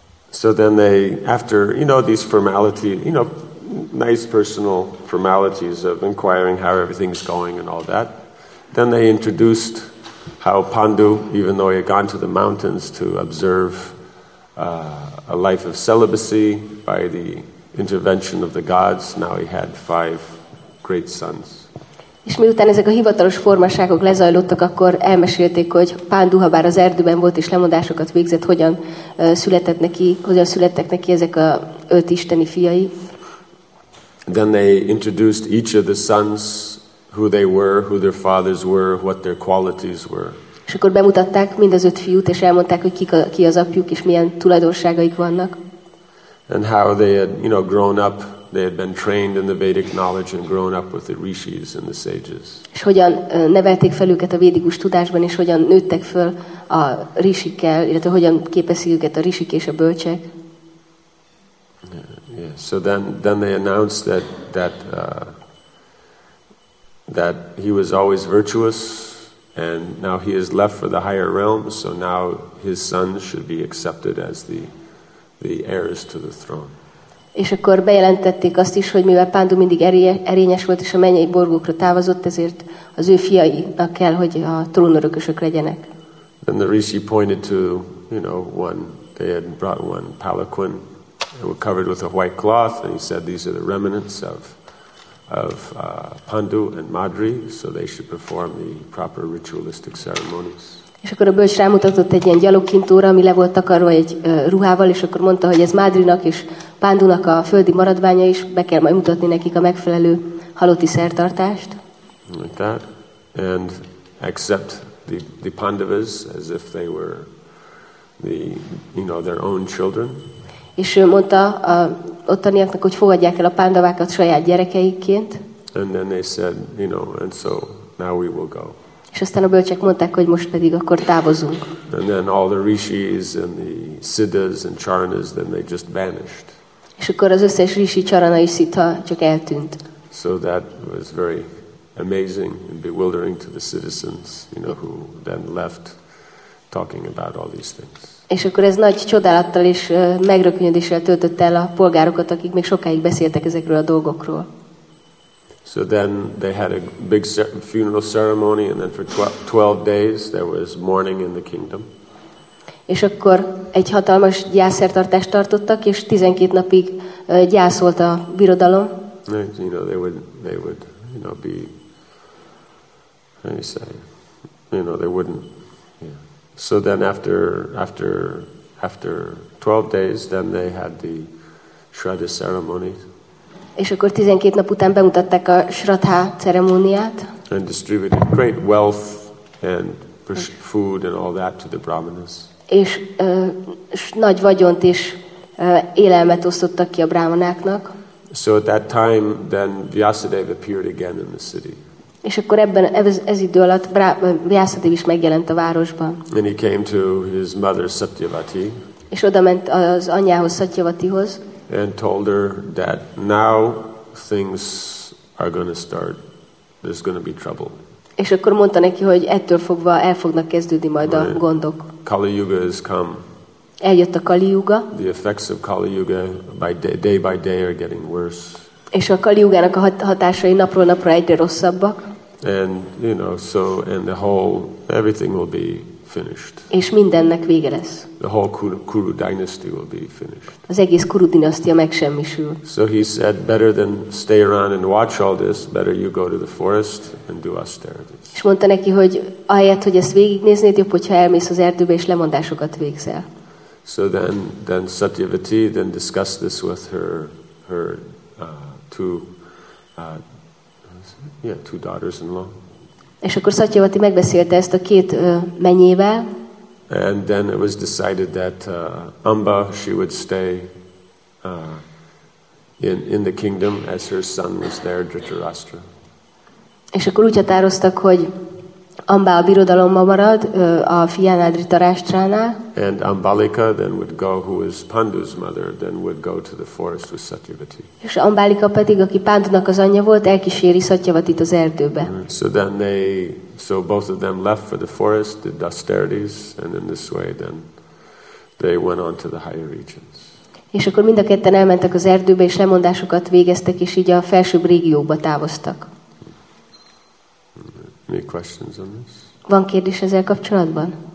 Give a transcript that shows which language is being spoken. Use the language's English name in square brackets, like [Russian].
[English] So then they, after, you know, these formalities, you know, nice personal formalities of inquiring how everything's going and all that, then they introduced how Pandu, even though he had gone to the mountains to observe a life of celibacy by the intervention of the gods, now he had five great sons. [Hungarian] És miután ezek a hivatalos formaságok lezajlottak, akkor elmesélték, hogy Pándu, ha bár az erdőben volt és lemondásokat végzett, hogyan születtek neki ezek a öt isteni fiai. [English] Then they introduced each of the sons, who they were, who their fathers were, what their qualities were. [Hungarian] És akkor bemutatták mind az öt fiút, és elmondták, hogy ki az apjuk és milyen tulajdonságaik vannak. [English] And how they had, you know, grown up. They had been trained in the Vedic knowledge and grown up with the rishis and the sages. [Hungarian] És hogyan nevelték fel őket a védikus tudásban, és hogyan nőttek föl a rishikkel, illetve hogyan képezik őket a rishik és a bölcsek. [English] Yeah. So then they announced that he was always virtuous, and now he is left for the higher realms, so now his sons should be accepted as the heirs to the throne. [Hungarian] És akkor bejelentették azt is, hogy mivel Pándu mindig erényes volt, és a mennyei borgókra távozott, ezért az ő fiainak kell, hogy a trónörökösök legyenek. [English] Then the rishi pointed to, you know, one, they had brought one palanquin, they were covered with a white cloth, and he said, these are the remnants of Pandu and Madri, so they should perform the proper ritualistic ceremonies. [Hungarian] És akkor a bölcs rámutatott egy ilyen gyalogkintóra, ami le volt takarva egy ruhával, és akkor mondta, hogy ez Madrinak és Pándunak a földi maradványa is, be kell majd mutatni nekik a megfelelő halotti szertartást. [English] Like that. And accept the Pandavas as if they were the, you know, their own children. [Hungarian] És ő mondta a ottaniaknak, hogy fogadják el a Pandavákat saját gyerekeiként. [English] And then they said, you know, and so now we will go. [Hungarian] És aztán a bölcsek mondták, hogy most pedig akkor távozunk. [English] And then all the rishis and the siddhas and charanas, then they just vanished. [Hungarian] És akkor az összes rishi, charana és siddha csak eltűnt. [English] So that was very amazing and bewildering to the citizens, you know, who then left talking about all these things. [Hungarian] És akkor ez nagy csodálattal és megrökönyödéssel töltött el a polgárokat, akik még sokáig beszéltek ezekről a dolgokról. [English] So then they had a big funeral ceremony, and then for 12 days there was mourning in the kingdom. [Hungarian] És akkor egy hatalmas gyászszertartást tartottak, és 12 napig gyászolt a birodalom. [English] And, you know, they would, you know, be, how do you say, you know, they wouldn't. Yeah. So then after 12 days, then they had the Shraddha ceremony. [Hungarian] És akkor 12 nap után bemutatták a Shraddha ceremóniát. [English] And distributed great wealth and food and all that to the brahmanas. [Hungarian] És nagy vagyont és élelmet osztottak ki a brahmanáknak. [English] So at that time, then Vyasadeva appeared again in the city. [Hungarian] És akkor ebben ez idő alatt Vyasadeva is megjelent a városban. [English] And he came to his mother Satyavati. [Hungarian] És oda ment az anyjához, Satyavatihoz. [English] And told her that now things are going to start. There's going to be trouble. [Hungarian] És akkor mondta neki, hogy ettől fogva el fognak kezdődni majd a gondok. [English] Kali Yuga has come. [Hungarian] Eljött a Kali Yuga. [English] The effects of Kali Yuga day by day are getting worse. [Hungarian] És a Kali Yugának a hatásai napról napra egyre rosszabbak. [English] And, you know, so, and the whole, everything will be finished. [Hungarian] És mindennek vége lesz. [English] The whole Kuru dynasty will be finished. [Hungarian] Az egész Kuru dinasztia megsemmisül. [English] So he said, better than stay around and watch all this, better you go to the forest and do austerities. [Hungarian] És mondta neki, hogy ahelyett, hogy ezt végignéznéd, jobb, hogyha elmész az erdőbe és lemondásokat végzel. [English] So then Satyavati then discussed this with her two daughters-in-law. [Hungarian] És akkor Satyavati megbeszélte ezt a két menyével. [English] And then it was decided that Amba, she would stay in the kingdom as her son was there, Dhritarashtra. [Hungarian] És akkor úgy határoztak, hogy Amba a birodalomban marad, a fiánál, Dhritarashtránál. [English] And Ambalika then would go, who is Pandu's mother, then would go to the forest with Satyavati. [Hungarian] És Ambalika pedig, aki Pándunak az anyja volt, elkíséri Satyavatit az erdőbe. [English] So both of them left for the forest, did austerities, and in this way then they went on to the higher regions. [Hungarian] És akkor mind a ketten elmentek az erdőbe, és lemondásokat végeztek, és így a felsőbb régióba távoztak. [English] Any questions on this? [Hungarian] Van kérdés ezzel kapcsolatban?